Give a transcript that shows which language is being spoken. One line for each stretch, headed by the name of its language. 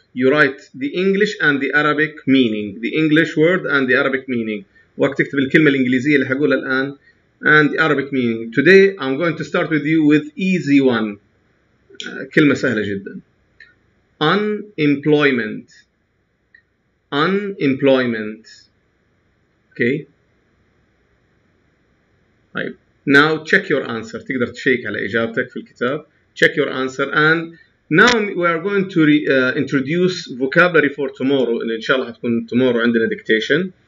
English: You write the English and the Arabic meaning. The English word and the Arabic meaning.
Arabic: وقت تكتب الكلمة الإنجليزية اللي حقولها الآن
English: and the Arabic meaning. Today, I'm going to start with you with easy one.
Arabic: كلمة سهلة جدا. Unemployment.
English: Unemployment. Okay. طيب. Now check your answer.
Arabic: تقدر تشيك على إجابتك في الكتاب.
English: Check your answer. And now we are going to introduce vocabulary for tomorrow.
Arabic: إن شاء الله هتكون tomorrow عندنا dictation.